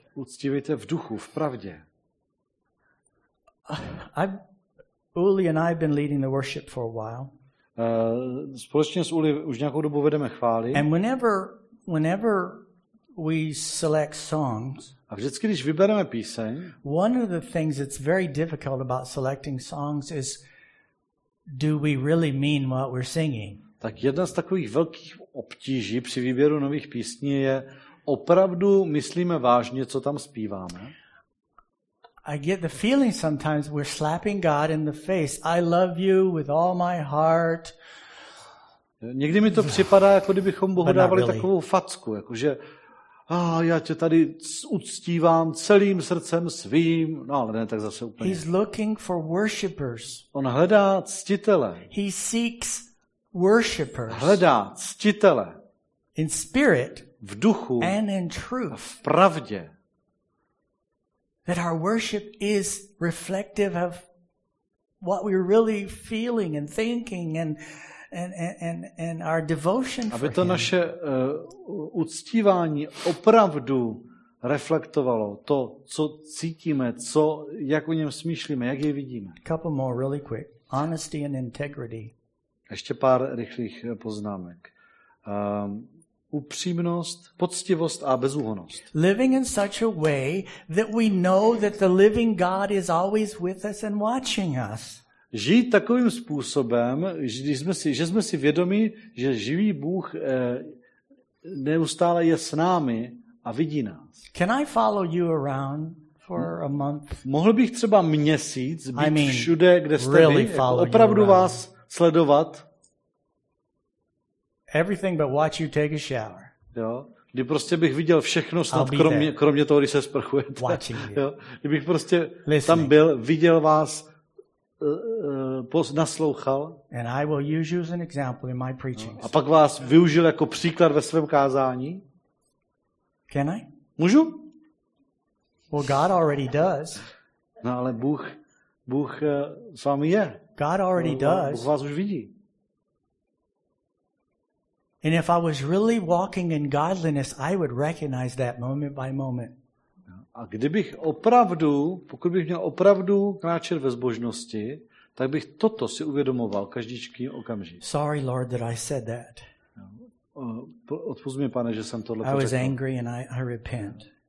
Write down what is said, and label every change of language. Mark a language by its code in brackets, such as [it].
[cs] Uctívejte v duchu, v pravdě. [en] Uli and I have been leading the worship for a while. [cs] Společně s Uli už nějakou dobu vedeme chvály. [en] And whenever we select songs. [cs] A vždycky, když vybereme píseň. [en] One of the things that's very difficult about selecting songs is, do we really mean what we're singing? [cs] Tak jedna z takových velkých obtíží při výběru nových písní je, opravdu myslíme vážně, co tam zpíváme? [en] I get the feeling sometimes we're slapping God in the face. I love you with all my heart. [cs] Někdy mi to připadá, jako kdybychom Bohu dávali takovou facku, jakože já tě tady uctívám celým srdcem svým. No, ale ne, tak zase úplně. [en] He's looking for worshipers. [cs] On hledá ctitele. [en] He seeks worshipers. [cs] Hledá ctitele. [en] In spirit. [cs] V duchu [en] and in truth, [cs] v pravdě. [en] That our worship is reflective of what we're really feeling and thinking and our devotion for him. [cs] Aby to naše uctívání opravdu reflektovalo to, co cítíme, co jak o něm smýšlíme, jak jej vidíme. [en] Couple more really quick. Honesty and integrity. [cs] Ještě pár rychlých poznámek. Upřímnost, poctivost a bezúhonnost. [en] Living in such a way that we know that the living God is always with us and watching us. [cs] Žít takovým způsobem, že jsme si vědomi, že živý Bůh neustále je s námi a vidí nás. [en] Can I follow you around for a month? [cs] Mohl bych třeba měsíc být všude, kde jste [en] really [cs] vy, jako opravdu vás sledovat. [en] Everything but watch you take a shower. [cs] Jo. Kdy prostě bych viděl všechno snad kromě toho, když se sprchujete. [en] Watching you. [cs] Jo. Kdybych prostě [en] listening. [cs] Tam byl, viděl vás, naslouchal. [en] And I will use you as an example in my preaching. [cs] A pak vás využil jako příklad ve svém kázání. [en] Can I? [cs] Můžu? [en] Well, God already does. [cs] No, ale Bůh s vámi je. [en] God already does. [cs] Bůh vás už vidí. [en] And if I was really walking in godliness, I would recognize that moment by moment. [cs] A kdybych opravdu, pokud bych měl opravdu kráčet ve zbožnosti, tak bych toto si uvědomoval každýčký okamžik. [en] Sorry, Lord, that I said that. [cs] Odpusť mi, pane, že jsem tohle řekl. [en] I was angry and I repent.